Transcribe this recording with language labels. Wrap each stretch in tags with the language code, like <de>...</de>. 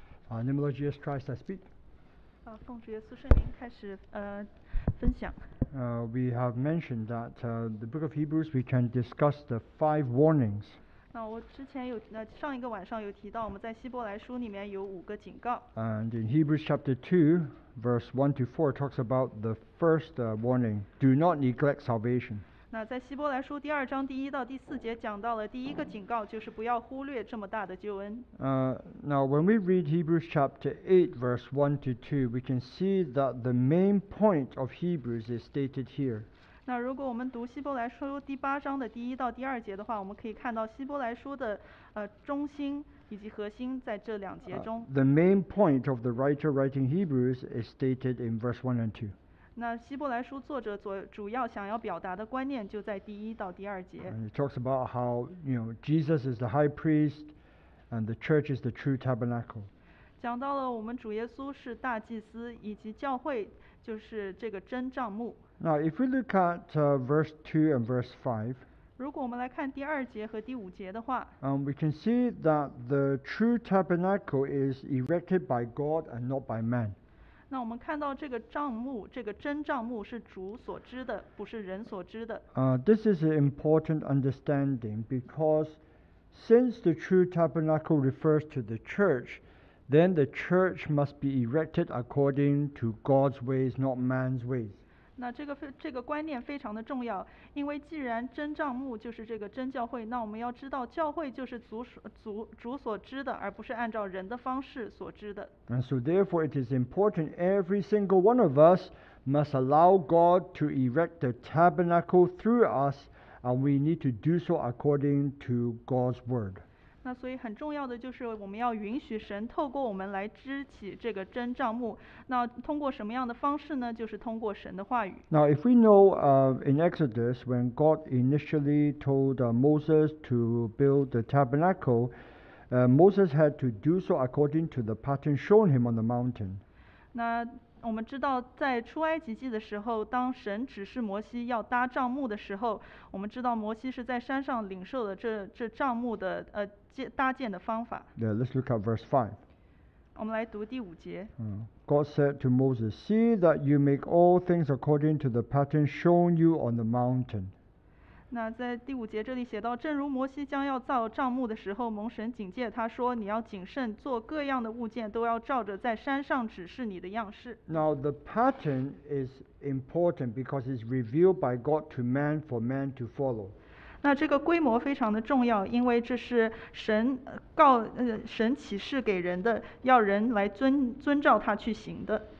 <en>Lord Jesus Christ, I speak.</en> <zh>奉主耶稣圣名开始分享。</zh> <en>We have mentioned that the book of Hebrews, we can discuss the five warnings.</en> <zh>那我之前有上一个晚上有提到，我们在希伯来书里面有五个警告。</zh> <en>And in Hebrews chapter 2, verse 1 to 4 talks about the first warning, do not neglect salvation.</en> <zh>那在希伯来书第二章第一到第四节讲到了第一个警告，就是不要忽略这么大的救恩。</zh> <en>Now when we read Hebrews chapter 8, verse 1 to 2, we can see that the main point of Hebrews is stated here.</en> <zh>那如果我们读希伯来书第八章的第一到第二节的话，我们可以看到希伯来书的中心以及核心在这两节中。</zh> <en>The main point of the writer writing Hebrews is stated in verse 1 and 2.</en> <zh>那希伯来书作者主要想要表达的观念就在第一到第二节。</zh> <en>And it talks about how, you know, Jesus is the high priest and the church is the true tabernacle.</en> <zh>讲到了我们主耶稣是大祭司以及教会就是这个真帐幕。</zh> <en>Now, if we look at verse 2 and verse 5,</en> <zh>如果我们来看第二节和第五节的话，</zh> <en>we can see that the true tabernacle is erected by God and not by man.</en> <zh>那我们看到这个帐幕，这个真帐幕是主所知的，不是人所知的。</zh> <en>This is an important understanding because since the true tabernacle refers to the church, then the church must be erected according to God's ways, not man's ways.</en> <zh>那这个观念非常的重要，因为既然真帐幕就是这个真教会，那我们要知道教会就是主所知的，而不是按照人的方式所知的。</zh> <en>And so therefore it is important every single one of us must allow God to erect the tabernacle through us, and we need to do so according to God's word.</en> <zh>那所以很重要的就是我们要允许神透过我们来支起这个真帐幕。那通过什么样的方式呢？就是通过神的话语。</zh> <en>Now if we know in Exodus, when God initially told Moses to build the tabernacle, Moses had to do so according to the pattern shown him on the mountain.</en> <zh>那我们知道在出埃及记的时候，当神指示摩西要搭帐幕的时候，我们知道摩西是在山上领受了这帐幕的搭建的方法。</zh> <en>Yeah, let's look at verse 5.</en> <zh>我们来读第五节。</zh> <en>God said to Moses, See that you make all things according to the pattern shown you on the mountain.</en> <zh>那在第五节这里写到，正如摩西将要造帐幕的时候，蒙神警戒他说，你要谨慎，做各样的物件都要照着在山上指示你的样式。</zh> <en>Now the pattern is important because it's revealed by God to man for man to follow.</en> <zh>那这个规模非常的重要，因为这是神告神启示给人的，要人来遵照他去行的。</zh>